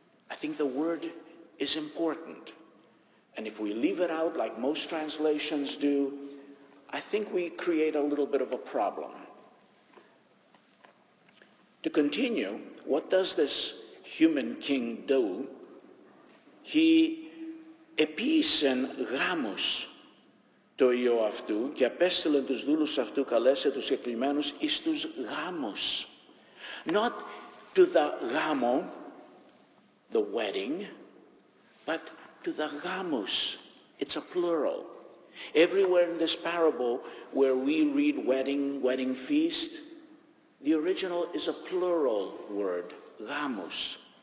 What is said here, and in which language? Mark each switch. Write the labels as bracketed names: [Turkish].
[English] I think the word is important. And if we leave it out like most translations do, I think we create a little bit of a problem. To continue, what does this human king do? He [Greek] επίησεν γάμους το υιό αυτού και απέστειλεν τους δούλους αυτού καλέσε τους εκλειμμένους εις τους γάμους. [English] Not to the γάμο, the wedding, but to the γάμους. It's a plural. Everywhere in this parable where we read wedding feast, the original is a plural word, γάμους.